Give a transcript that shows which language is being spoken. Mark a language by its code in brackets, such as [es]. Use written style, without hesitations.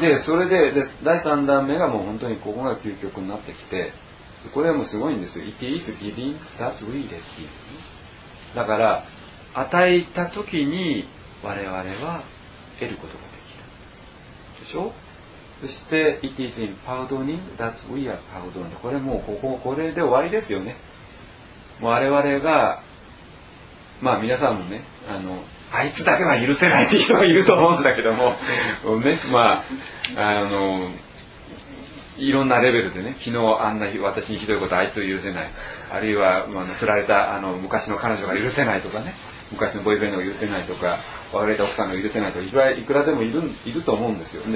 [ja] でそれ で第3段目がもう本当にここが究極になってきて、これはもうすごいんですよ。 [en] It is giving, that's we receive。 [ja] だから与えた時に我々は得ることができるでしょ。そして [en] It is in pardoning, that's we are pardoned。 [ja] これもうこれで終わりですよね。もう我々が、まあ皆さんもね、あいつだけは許せないって人がいると思うんだけども、ね、まあ、いろんなレベルでね、昨日あんな私にひどいことあいつ許せない、あるいは、まあ、振られたあの昔の彼女が許せないとかね、昔のボーイフレンドが許せないとか、割れた奥さんが許せないとか、いくらでもいると思うんですよ。